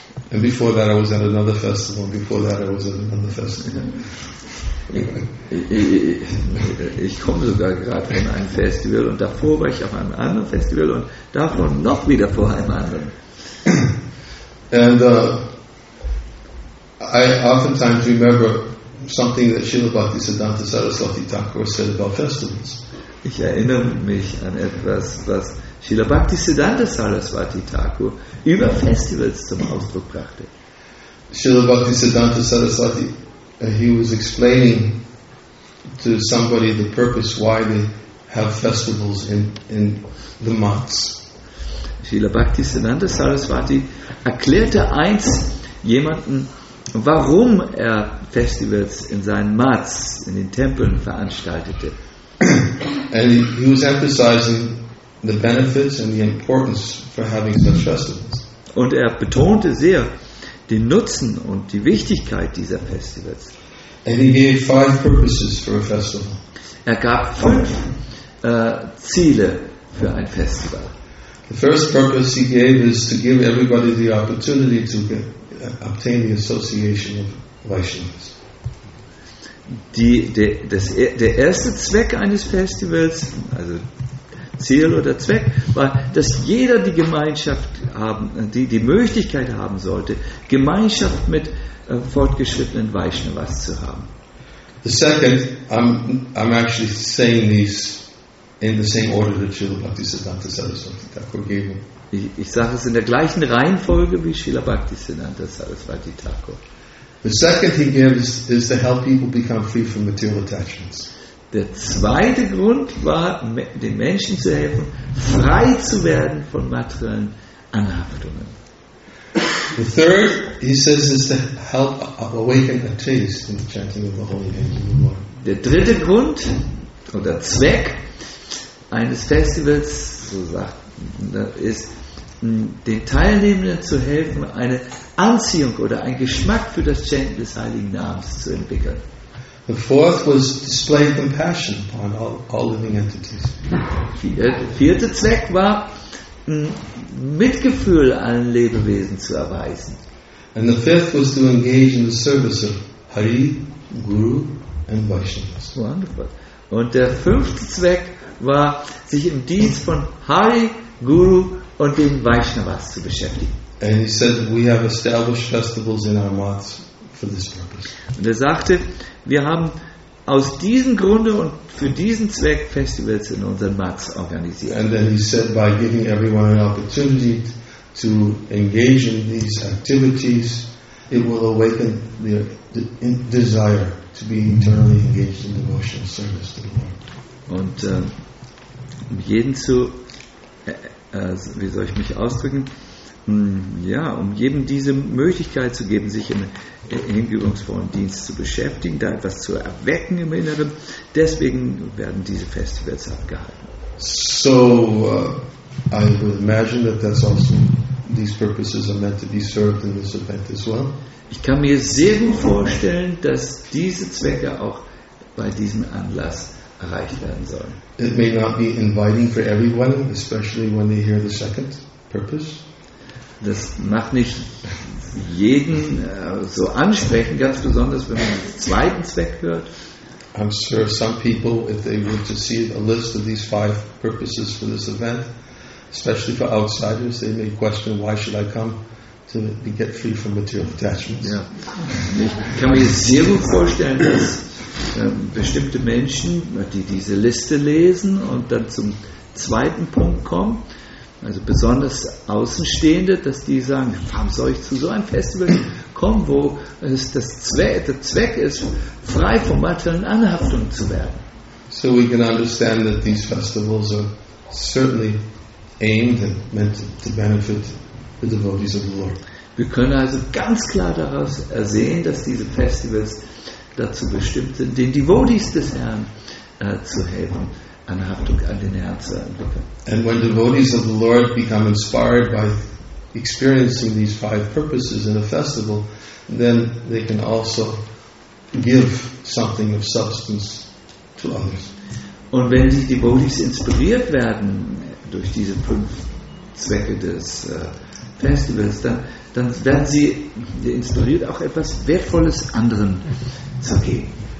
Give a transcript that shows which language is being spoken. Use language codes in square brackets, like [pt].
[en] And before that I was at another festival, and before that I was at another festival. [de] Ich komme sogar gerade von einem Festival und davor war ich auf einem anderen Festival und davor noch wieder vor einem anderen. [en] And I oftentimes remember something that Srila Bhaktisiddhanta Saraswati Thakur said about festivals. [de] Ich erinnere mich an etwas, was Srila Bhaktisiddhanta Saraswati Thakur über Festivals zum Ausdruck brachte. [en] Srila Bhaktisiddhanta Saraswati, he was explaining to somebody the purpose why they have festivals in the months. [de] Srila Bhaktisiddhanta Saraswati erklärte einst jemanden, warum er Festivals in seinen Mats, in den Tempeln veranstaltete. [en] And he was emphasizing the benefits and the importance for having such festivals. [de] Und er betonte sehr den Nutzen und die Wichtigkeit dieser Festivals. [en] And he gave five purposes for a festival. [de] Er gab fünf Ziele für ein Festival. [en] The first purpose he gave is to give everybody the opportunity to obtain the association of Vaishnavas. [de] Der erste Zweck eines Festivals, also Ziel oder Zweck, war, dass jeder die Gemeinschaft haben, die Möglichkeit haben sollte, Gemeinschaft mit fortgeschrittenen Vaishnavas zu haben. [en] The second, I'm actually saying these in the same order that Srila Bhaktisiddhanta Saraswati Thakur gave them. [de] Ich sage es in der gleichen Reihenfolge wie Srila Bhaktisiddhanta Saraswati Thakur. [en] The second he gives is to help people become free from material attachments. [de] Der zweite Grund war, den Menschen zu helfen, frei zu werden von materiellen Anhaftungen. [en] The third, he says, is to help awaken a taste in the chanting of the holy name. [de] Der dritte Grund oder Zweck eines Festivals, so sagt, ist, den Teilnehmenden zu helfen, eine Anziehung oder einen Geschmack für das Chanten des heiligen Namens zu entwickeln. [en] The fourth was display compassion upon all living entities. [de] Vierte Zweck war, Mitgefühl allen Lebewesen zu erweisen. [en] And the fifth was to engage in the service of Hari, Guru and Vaishnavas. Wonderful. [de] Und der fünfte Zweck war, sich im Dienst von Hari, Guru und den Vaishnavas zu beschäftigen. [en] And he said we have established festivals in our mats. [de] Und er sagte, wir haben aus diesem Grunde und für diesen Zweck Festivals in unseren Max organisieren. [en] And then he said, by giving everyone an opportunity to engage in these activities, it will awaken their desire to be internally engaged in devotional service to the Lord. [de] Und um jeden zu, wie soll ich mich ausdrücken? Ja, um jedem diese Möglichkeit zu geben, sich im hingebungsvollen Dienst zu beschäftigen, da etwas zu erwecken im Inneren. Deswegen werden diese Festivals abgehalten. [en] So, I would imagine that that's also these purposes are meant to be served in this event as well. [de] Ich kann mir sehr gut vorstellen, dass diese Zwecke auch bei diesem Anlass erreicht werden sollen. [en] It may not be inviting for everyone, especially when they hear the second purpose. [de] Das macht nicht jeden so ansprechend, ganz besonders, wenn man den zweiten Zweck hört. [en] I'm sure some people, if they were to see a list of these five purposes for this event, especially for outsiders, they may question, why should I come to get free from material attachments? [de] Ja. Ich kann mir sehr gut vorstellen, dass bestimmte Menschen, die diese Liste lesen und dann zum zweiten Punkt kommen, also besonders Außenstehende, dass die sagen, warum soll ich zu so einem Festival kommen, wo es das Zweck, der Zweck ist, frei von materiellen Anhaftungen zu werden. [en] So we can understand that these festivals are certainly aimed and meant to benefit the devotees of the Lord. [de] Wir können also ganz klar daraus ersehen, dass diese Festivals dazu bestimmt sind, den Devotees des Herrn zu helfen. Anhaftung an den Herrn zu entwickeln. [en] And when devotees of the Lord become inspired by experiencing these five purposes in a festival, then they can also give something of substance to others. [de] Und wenn die Devotees inspiriert werden durch diese fünf Zwecke des Festivals, dann werden sie inspiriert, auch etwas Wertvolles anderen zu geben.